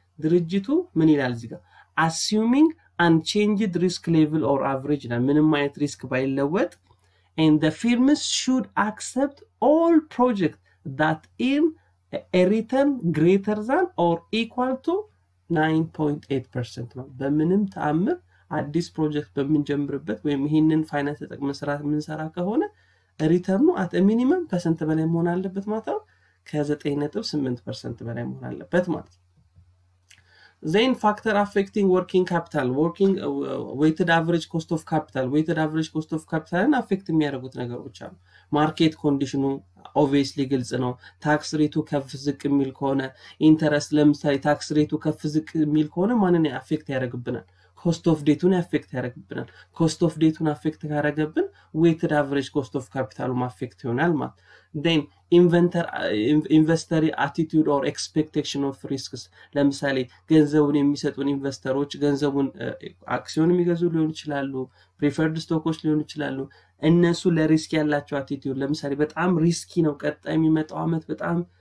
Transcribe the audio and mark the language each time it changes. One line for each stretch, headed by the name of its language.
Amharic: ድርጅቱ ምን ይላል እዚህ ጋር
English: assuming unchanged risk level or average
Amharic: እና ምንም አይነት ሪስክ ባይለወጥ
English: and the firms should accept all projects that earn a return greater than or equal to 9.8%
Amharic: በምንም ተአምር አዲስ ፕሮጀክት በሚጀምርበት ወይም ይሄንን ፋይናንስ ተጠቅመን ስራ ምን ሰራ ከሆነ ሪተርኑ አት ሚኒመም ፐርሰንት በላይ መሆን አለበት ማለት ነው ከ9.8% በላይ መሆን አለበት ማለት ነው።
English: Then factor affecting working capital, working weighted average cost of capital.
Amharic: Weighted average cost of capital እና affect የሚያደርጉት ነገሮች አሉ። Market conditionu obviously ግልጽ ነው። Tax rateu ከፍ ዝቅ የሚል ከሆነ, interest ለምሳሌ tax rateu ከፍ ዝቅ የሚል ከሆነ ማንን affect ያደርግብናል? ኮስት ኦፍ ዴቱን አፌክት ያደርግብናል። ኮስት ኦፍ ዴቱን አፌክት ካደረገብን ዌትድ አቨሬጅ ኮስት ኦፍ ካፒታሉም አፌክት ይሆናል ማለት ነው። ኢንቨንተሪ ኢንቨስተሪ አቲቲዩድ ኦር ኤክስፔክቴሽን ኦፍ ሪስክስ ለምሳሌ ገንዘቡን የሚሰጡን ኢንቨስተሮች ገንዘቡን አክሲዮን የሚገዙ ሊሆን ይችላሉ፣ ፕሪፈርድ ስቶኮች ሊሆን ይችላሉ። እነሱ ለሪስክ ያላቸው አቲቲዩድ ለምሳሌ በጣም ሪስኪ ነው ቀጣይ የሚመጣው አመት በጣም